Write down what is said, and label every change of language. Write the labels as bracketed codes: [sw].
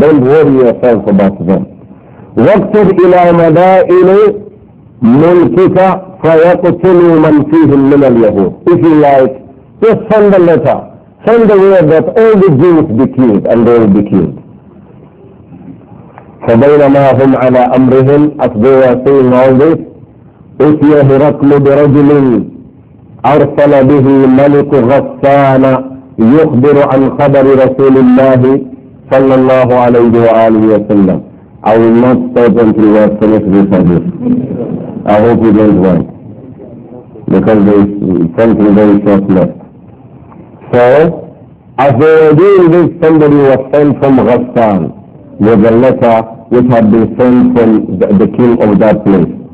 [en] Don't worry yourself about them. [ar] وَاكْتُبْ إِلَى مَدَائِنِ مُلْكِكَ فَيَقْتُلُوا مَنْ فِيهِمْ مِنَ الْيَهُودِ. [en] If you like, just send a letter. Send a word that all the Jews be killed, and they will be killed. [ar] فَبَيْنَمَا هُمْ عَلَىٰ أَمْرِهِمْ. As they were saying all this, أُتِيَ هِرَقْلُ بِرَجْلٍ أَرْسَلَ بِهِ مَلِكُ غَسَّانَ يخبر عن خبر رسول الله صلى الله عليه وآله وسلم. [en] I will not stop until we have finished this hadith. I hope you don't mind. Because there is something very short left. So, as they were doing this, somebody was sent from Ghassan with a letter which had been sent from the king of that place.